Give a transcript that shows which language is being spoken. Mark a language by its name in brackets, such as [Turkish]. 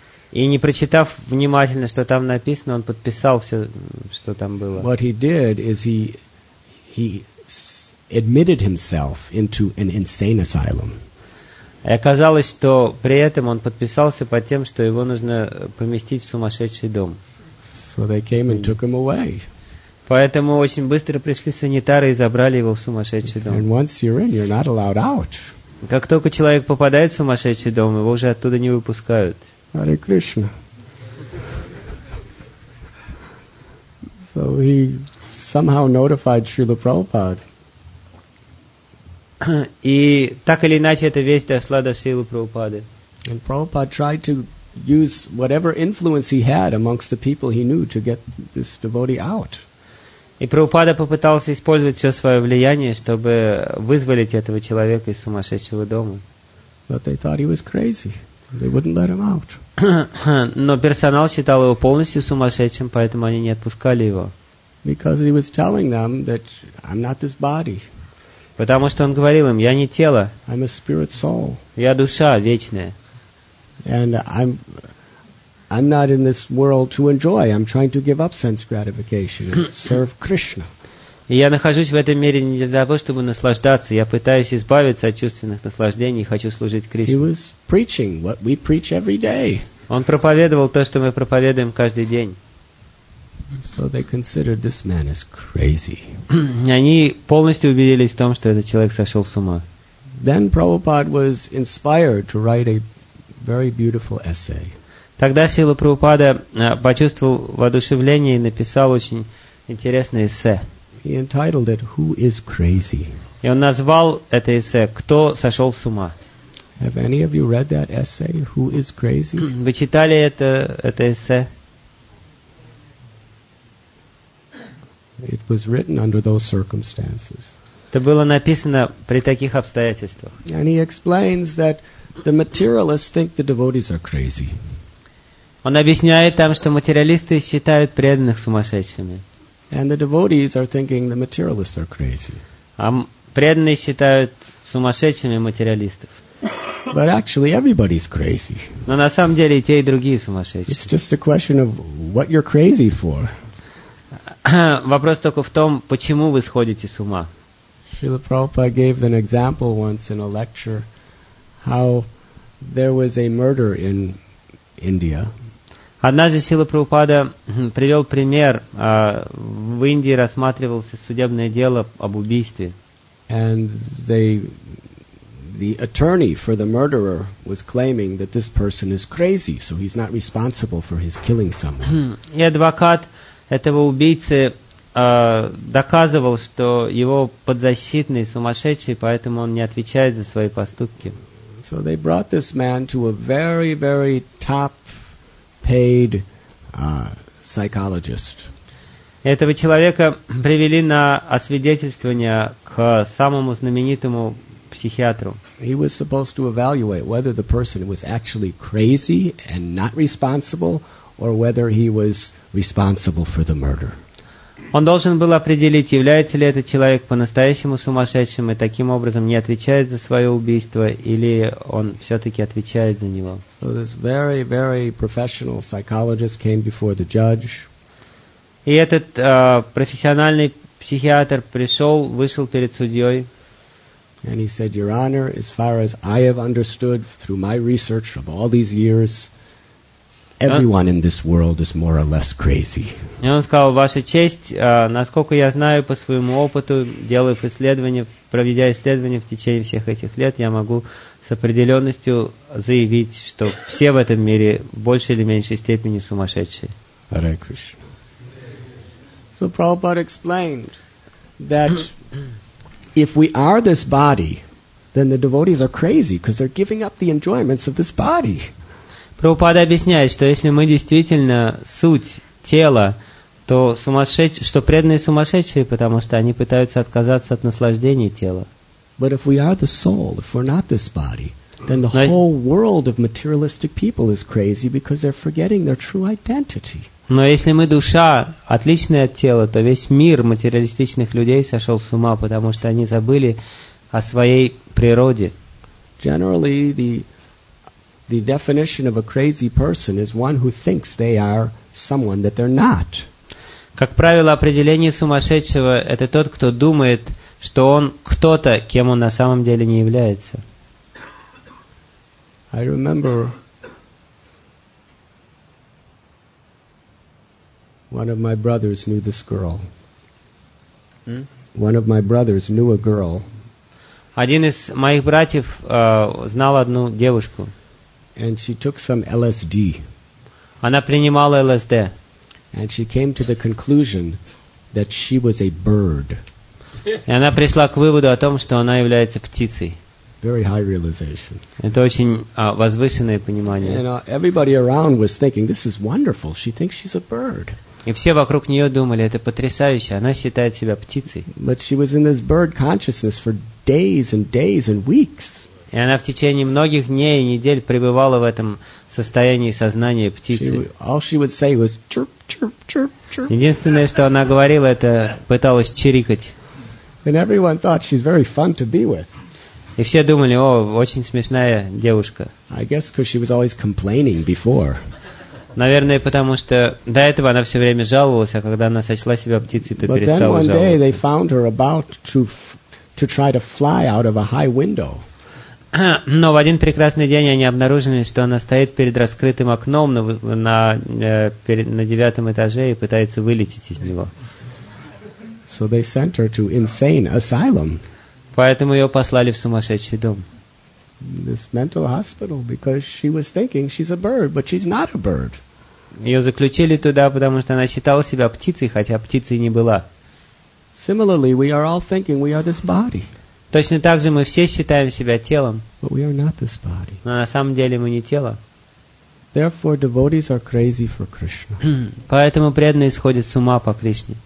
[Russian] И не прочитав внимательно, что там написано, он подписал все, что там было. [English] What he did is he admitted himself into an insane asylum. [Russian] И оказалось, что при этом он подписался под тем, что его нужно поместить в сумасшедший дом. [English] So they came and took him away. [Russian] Поэтому очень быстро пришли санитары и забрали его в сумасшедший дом. [English] And once you're in, you're not allowed out. [Russian] Как только человек попадает в сумасшедший дом, его уже оттуда не выпускают. [English] Hare Krishna. So he somehow notified Srila Prabhupada. [Russian] И так или иначе эта весть дошла до Шрилы Прабхупады. [English] And Prabhupada tried to use whatever influence he had amongst the people he knew to get this devotee out. [Russian] И Прабхупада попытался использовать все свое влияние, чтобы вызволить этого человека из сумасшедшего дома. [English] But they thought he was crazy. They wouldn't let him out. [Russian] Но персонал считал его полностью сумасшедшим, поэтому они не отпускали его. [English] Because he was telling them that I'm not this body. [Russian] Потому что он говорил им: я не тело. [English] I'm a spirit soul. [Russian] Я душа вечная. [English] And I'm not in this world to enjoy. I'm trying to give up sense gratification and serve Krishna. [Russian] И я нахожусь в этом мире не для того, чтобы наслаждаться. Я пытаюсь избавиться от чувственных наслаждений и хочу служить Кришне. [English] He was preaching what we preach every day. [Russian] Он проповедовал то, что мы проповедуем каждый день. [English] So they considered this man as crazy. [Russian] Они полностью убедились в том, что этот человек сошел с ума. [English] Then Prabhupada was inspired to write a very beautiful essay. [Russian] Тогда Шрила Прабхупада почувствовал воодушевление и написал очень интересное эссе. [English] He entitled it "Who is crazy?" [Russian] И он назвал это эссе "Кто сошел с ума?" [English] Have any of you read that essay "Who is crazy?" [Russian] Вы читали это эссе? [English] It was written under those circumstances. [Russian] Это было написано при таких обстоятельствах. [English] And he explains that the materialists think the devotees are crazy. [Russian] Он объясняет там, что материалисты считают преданных сумасшедшими. [English] And the devotees are thinking the materialists are crazy. [Russian] А преданные считают сумасшедшими материалистов. [English] But actually, everybody's crazy. [Russian] Но на самом деле и те, и другие сумасшедшие. [English] It's just a question of what you're crazy for. [Russian] Вопрос только в том, почему вы сходите с ума. [English] Srila Prabhupada gave an example once in a lecture how there was a murder in India. [Russian] Однажды Шрила Прабхупада привел пример, в Индии рассматривалось судебное дело об убийстве. [English] And the attorney for the murderer was claiming that this person is crazy, so he's not responsible for his killing someone. [Russian] И адвокат этого убийцы доказывал, что его подзащитный сумасшедший, поэтому он не отвечает за свои поступки. [English] So they brought this man to a very, very top paid psychologist. [Russian] Этого человека привели на освидетельствование к самому знаменитому психиатру. [English] He was supposed to evaluate whether the person was actually crazy and not responsible, or whether he was responsible for the murder. [Russian] Он должен был определить, является ли этот человек по-настоящему сумасшедшим и таким образом не отвечает за свое убийство, или он все-таки отвечает за него. [English] So this very, very professional psychologist came before the judge. [Russian] И этот профессиональный психиатр пришел, вышел перед судьей. [English] And he said, Your Honor, as far as I have understood through my research of all these years, everyone in this world is more or less crazy. [Russian] И он сказал: Ваша честь, насколько я знаю по своему опыту, проведя исследования в течение всех этих лет, я могу с определенностью заявить, что все в этом мире в большей или меньшей степени сумасшедшие. [English] Hare Krishna. So Prabhupada explained that if we are this body, then the devotees are crazy because they're giving up the enjoyments of this body. [Russian] Прабхупада объясняет, что если мы действительно суть тела, то что преданные сумасшедшие, потому что они пытаются отказаться от наслаждений тела. [English] But if we are the soul, if we're not this body, then the whole world of materialistic people is crazy because they're forgetting their true identity. [Russian] Но если мы душа, отличная от тела, то весь мир материалистичных людей сошел с ума, потому что они забыли о своей природе. [English] Generally, the definition of a crazy person is one who thinks they are someone that they're not. [Russian] Как правило, определение сумасшедшего – это тот, кто думает, что он кто-то, кем он на самом деле не является. [English] I remember one of my brothers knew this girl. One of my brothers knew a girl. [Russian] Один из моих братьев знал одну девушку. [English] And she took some LSD. [Russian] Она принимала LSD. [English] And she came to the conclusion that she was a bird. [Russian] И она пришла к выводу о том, что она является птицей. [English] Very high realization. [Russian] Это очень возвышенное понимание. [English] And everybody around was thinking, this is wonderful. She thinks she's a bird. [Russian] И все вокруг нее думали, это потрясающе. Она считает себя птицей. [English] But she was in this bird consciousness for days and days and weeks. [Russian] И она в течение многих дней и недель пребывала в этом состоянии сознания птицы. [English] All she would say was chirp, chirp, chirp, chirp. [Russian] Единственное, что она говорила, это пыталась чирикать. [English] And everyone thought she's very fun to be with. [Russian] И все думали, о, очень смешная девушка. [English] I guess because she was always complaining before. [Russian] Наверное, потому что до этого она все время жаловалась, а когда она сочла себя птицей, то перестала жаловаться. [English] But then one day they found her about to try to fly out of a high window. [Russian] Но в один прекрасный день они обнаружили, что она стоит перед раскрытым окном на девятом этаже и пытается вылететь из него. [English] So they sent her to insane asylum. [Russian] Поэтому ее послали в сумасшедший дом. [English] This mental hospital, because she was thinking she's a bird, but she's not a bird. [Russian] Ее заключили туда, потому что она считала себя птицей, хотя птицей не была. [English] Similarly, we are all thinking we are this body. [Russian] Точно так же мы все считаем себя телом. [English] But we are not this body. [Russian] Но на самом деле мы не тело. [English] Therefore, devotees are crazy for Krishna. [Russian] Поэтому преданные сходят с ума по Кришне.